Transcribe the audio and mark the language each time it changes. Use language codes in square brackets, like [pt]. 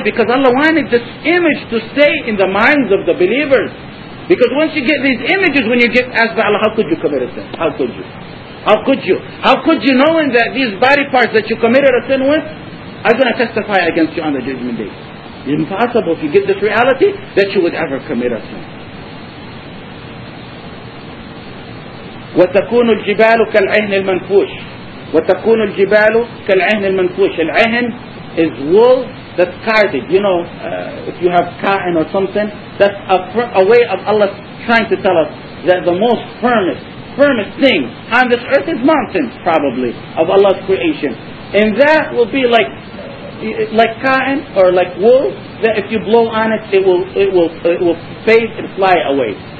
[en] Because Allah wanted this image to stay in the minds of the believers. Because once you get these images, when you get asked by Allah, how could you commit a sin? How could you? How could you? How could you knowing that these body parts that you committed a sin with are going to testify against you on the judgment day? Impossible if you get this reality that you would ever commit a sin. [ar] وتكون الجبال كالعهن المنفوش وتكون الجبال كالعهن المنفوش. [en] العهن is wool that's carded. You know, if you have cotton or something, that's a way of Allah trying to tell us that the most firmest thing on this earth is mountains, probably, of Allah's creation. And that will be like cotton or like wool, that if you blow on it, it will fade and fly away.